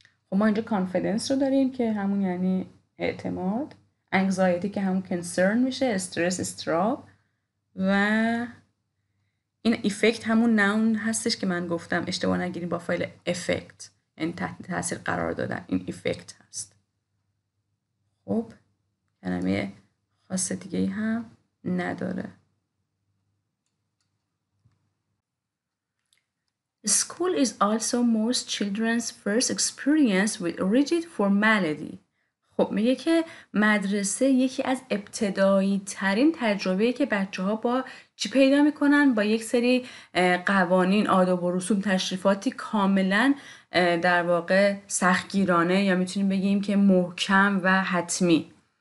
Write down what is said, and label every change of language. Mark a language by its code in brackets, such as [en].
[fa] خب ما اینجا کانفیدنس رو داریم که همون یعنی اعتماد، انگزایتی که همون کنسرن میشه، استرس استراب، و این افکت همون نون هستش که من گفتم اشتباه نگیریم با فایل افکت، این تحت تاثیر قرار دادن، این افکت هست. خب کلمه خاص دیگه هم نداره. [en] School is also most children's first experience with rigid formality. [fa] خب میگه که مدرسه یکی از ابتدایی ترین تجربه که بچه ها با چی پیدا میکنن؟ با یک سری قوانین، آداب و رسوم، تشریفاتی کاملا در واقع سختگیرانه یا میتونیم بگیم که محکم و حتمی.